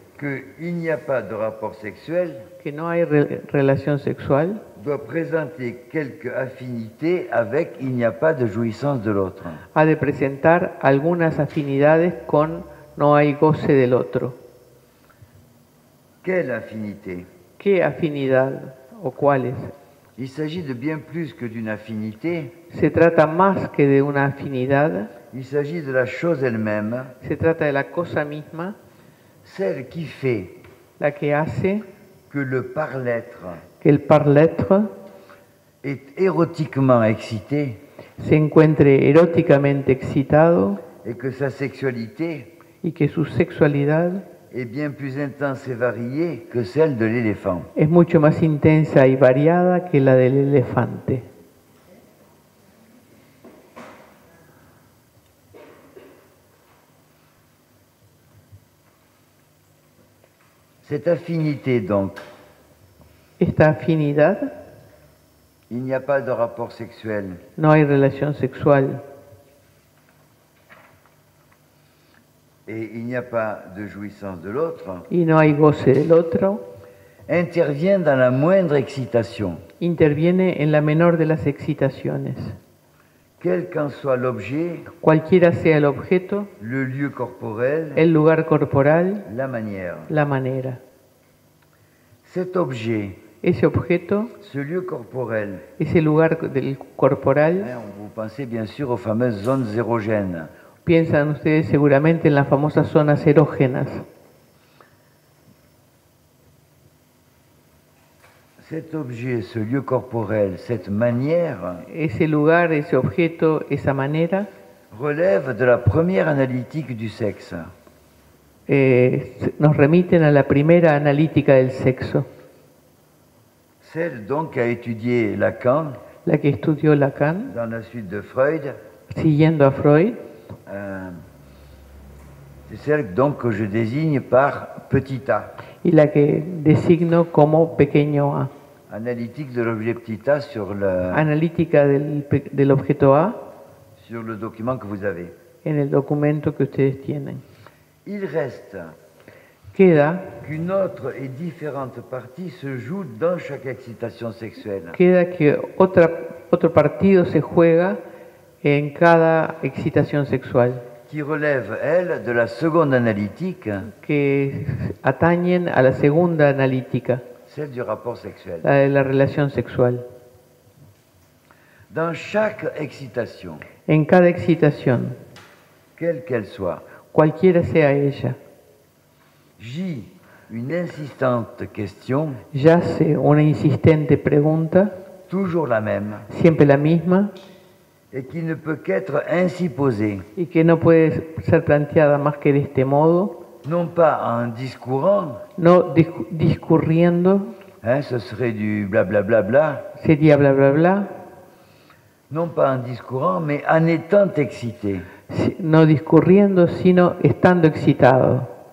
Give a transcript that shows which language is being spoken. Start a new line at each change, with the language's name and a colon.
French: qu'il n'y a pas de rapport sexuel,
Spanish: que no hay relación sexual,
French: doit présenter quelques affinités avec il n'y a pas de jouissance de l'autre.
Spanish: Ha de presentar algunas afinidades con no hay goce del otro.
French: Quelle affinité?
Spanish: ¿Qué afinidad o cuáles?
French: Il s'agit de bien plus que d'une affinité.
Spanish: Se trata más que de una afinidad.
French: Il s'agit de la chose elle-même.
Spanish: Se trata de la cosa misma.
French: Celle qui fait.
Spanish: La que hace.
French: Que le par-l'être.
Spanish: Que el par-l'être
French: est érotiquement excité.
Spanish: Se encuentre eróticamente excitado.
French: Et que sa sexualité.
Spanish: Y que su sexualidad.
French: Est bien plus intense et variée que celle de l'éléphant.
Spanish: Es mucho más intensa y variada que la del elefante.
French: Cette affinité donc.
Spanish: Esta afinidad.
French: Il n'y a pas de rapport sexuel.
Spanish: No hay relación sexual.
French: Et il n'y a pas de jouissance de l'autre.
Spanish: Y no hay goce del otro.
French: Intervient dans la moindre excitation.
Spanish: Interviene en la menor de las excitaciones.
French: Quel qu'en soit l'objet.
Spanish: Cualquiera sea el objeto.
French: Le lieu corporel.
Spanish: El lugar corporal.
French: La manière.
Spanish: La manera.
French: Cet objet.
Spanish: Ese objeto.
French: Ce lieu corporel.
Spanish: Ese lugar del corporal.
French: Vous pensez bien sûr aux fameuses zones érogènes.
Spanish: Piensan ustedes seguramente en las famosas zonas erógenas.
French: Cet objet, ce lieu corporel, cette manière,
Spanish: ese lugar, ese objeto, esa manera,
French: relève de la première analytique du sexe.
Spanish: Nos remiten a la primera analítica del sexo.
French: Celle donc a étudié Lacan,
Spanish: la que estudió Lacan,
French: dans la suite de Freud,
Spanish: siguiendo a Freud.
French: C'est celle donc que je désigne par petit a.
Spanish: Y la que designo como pequeño a.
French: Analytique de l'objet petit a sur le.
Spanish: Analítica del objeto a.
French: Sur le document que vous avez.
Spanish: En el documento que ustedes tienen.
French: Il reste.
Spanish: Queda.
French: Qu'une autre et différente partie se joue dans chaque excitation sexuelle.
Spanish: Queda que otro partido se juega en cada excitación sexual,
French: qui relève, elle, de la seconde analytique,
Spanish: que atañen a la segunda analítica,
French: celle du rapport sexuel,
Spanish: la de la relación sexual.
French: Dans chaque excitation,
Spanish: en cada excitación,
French: quelle qu'elle soit,
Spanish: cualquiera sea ella,
French: gît une insistante question,
Spanish: yace una insistente pregunta,
French: toujours la même,
Spanish: siempre la misma,
French: et qui ne peut qu'être ainsi posée.
Spanish: Y que no puede ser planteada más que de este modo.
French: Non pas en discourant.
Spanish: No discurriendo.
French: Hein, ce serait du blablabla.
Spanish: Sería blablabla.
French: Non pas en discourant, mais en étant excité.
Spanish: No discurriendo, sino estando excitado.